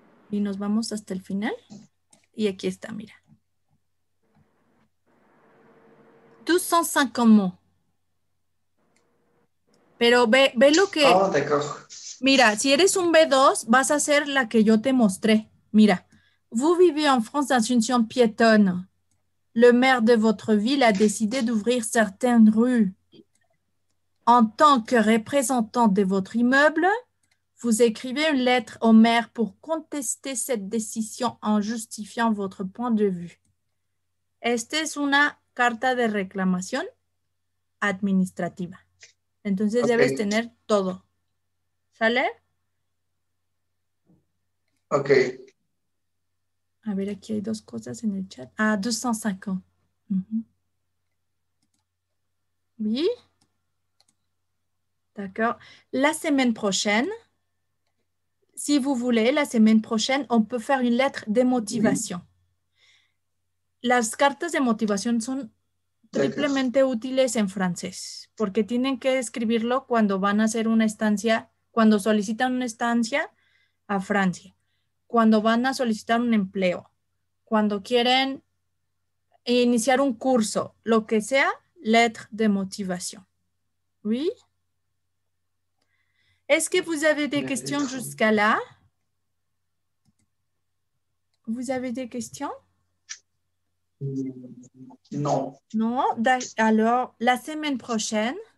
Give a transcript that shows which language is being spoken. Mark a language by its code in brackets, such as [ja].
[es] Y nos vamos hasta el final. Y aquí está, mira. [fr] 250 mots. [es] Pero ve lo que... Mira, si eres un B2, vas a ser la que yo te mostré. Mira. [fr] Vous vivez en France dans une zone piétonne. Le maire de votre ville a décidé d'ouvrir certaines rues. En tant que représentant de votre immeuble, vous écrivez une lettre au maire pour contester cette décision en justifiant votre point de vue. [es] Esta es una carta de reclamación administrativa. Entonces okay. Debes tener todo. ¿Sale? Ok. A ver, aquí hay dos cosas en el chat. [fr] Ah, 250. Uh-huh. Oui. D'accord. La semaine prochaine, si vous voulez, la semaine prochaine, on peut faire une lettre de motivation. Oui. [es] Las cartas de motivación son triplemente útiles en francés, porque tienen que escribirlo cuando van a hacer una estancia, cuando solicitan una estancia a Francia, cuando van a solicitar un empleo, cuando quieren iniciar un curso, lo que sea, lettre de motivación. [fr] ¿Oui? ¿Es que vous avez des questions jusqu'à là? ¿Vous avez des questions? Non. Non, alors la semaine prochaine.